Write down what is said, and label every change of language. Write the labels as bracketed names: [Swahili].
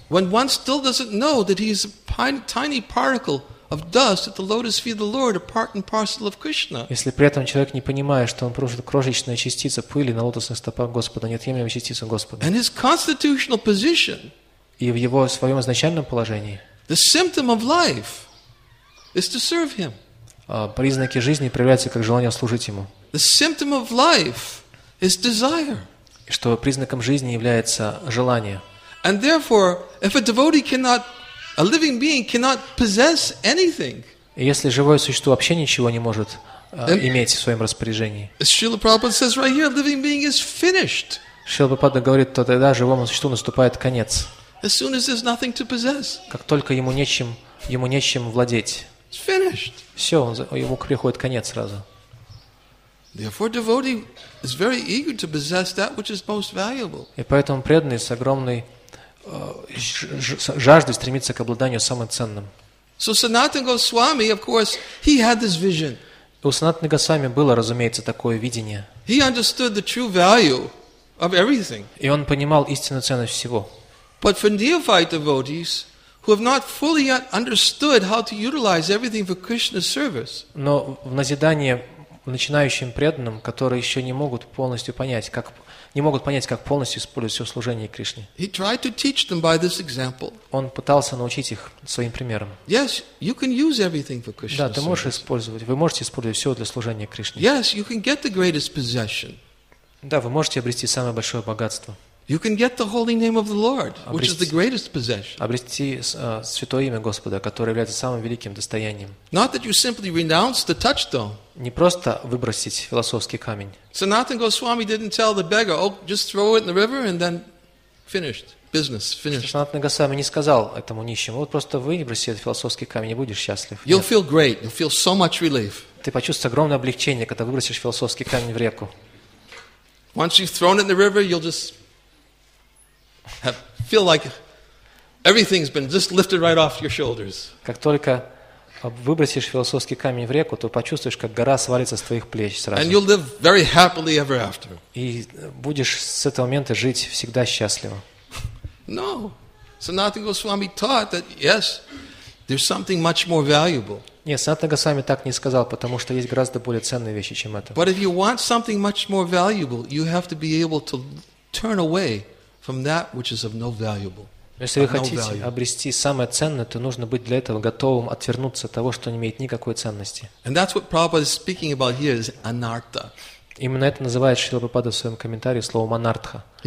[English] When one still doesn't know that he is a tiny particle of dust at the lotus feet of the Lord, a part and parcel of Krishna. [Russian] Если при этом человек не понимает, что он просто крошечная частица пыли на лотосных стопах Господа, неотъемлемая частица Господа. [English] And his constitutional position. [Russian] И в его своем изначальном положении. [English] The symptom of life is to serve him. [Russian] Признаки жизни проявляются как желание служить ему. [English] The symptom of life is desire. [Russian] Что признаком жизни является желание. [English] And therefore, if a devotee cannot A living being cannot possess anything. [Russian] Если живое существо вообще ничего не может иметь в своем распоряжении. [English] Srila Prabhupada says right here, a living being is finished. [Russian] Srila Prabhupada говорит, то тогда живому существу наступает конец. [English] As soon as there's nothing to possess. [Russian] Как только ему нечем владеть. [English] It's finished. [Russian] Все, ему приходит конец сразу. [English] Therefore, devotee is very eager to possess that which is most valuable. [Russian] И поэтому преданный с огромной жажды стремиться к обладанию самым ценным. [English] So Sanatan Goswami, of course, he had this vision. [Russian] У Санатаны Госвами было, разумеется, такое видение. [English] He understood the true value of everything. [Russian] И он понимал истинную ценность всего. [English] But for neophyte devotees who have not fully yet understood how to utilize everything for Krishna's service. [Russian] Но в назидание начинающим преданным, которые еще не могут полностью понять, как полностью использовать все служение Кришне. [English] He tried to teach them by this example. [Russian] Он пытался научить их своим примером. [English] Yes, you can use everything for Krishna. [Russian] Да, ты можешь использовать. Вы можете использовать все для служения Кришне. [English] Yes, you can get the greatest possession. [Russian] Да, вы можете обрести самое большое богатство. [English] You can get the holy name of the Lord, which is the greatest possession. [Russian] Обрести святое имя Господа, которое является самым великим достоянием. [English] Not that you simply renounce the touchstone. [Russian] Не просто выбросить философский камень. [English] Sanatana Goswami didn't tell the beggar, "Oh, just throw it in the river and then finished business, finished." [Russian] Sanatana Goswami не сказал этому нищему: "Вот просто выброси этот философский камень, и будешь счастлив." [English] You'll feel great. You'll feel so much relief. [Russian] Ты почувствуешь огромное облегчение, когда выбросишь философский камень в реку. [English] Once you've thrown it in the river, you'll just feel like everything's been just lifted right off your shoulders. [Russian] Как только выбросишь философский камень в реку, то почувствуешь, как гора свалится с твоих плеч сразу. [English] And you'll live very happily ever after. [Russian] И будешь с этого момента жить всегда счастливо. [English] No, Sanatana Goswami taught that yes, there's something much more valuable. [Russian] Нет, Санатана Госвами так не сказал, потому что есть гораздо более ценные вещи, чем это. [English] But if you want something much more valuable, you have to be able to turn away from that which is of no valuable. [Russian] Если вы хотите обрести самое ценное, то нужно быть для этого готовым отвернуться от того, что не имеет никакой ценности. [English] And that's what Prabhupada is speaking about here is anartha. [Russian] Именно это называет Шрила Прабхупада в своем комментарии словом анартха.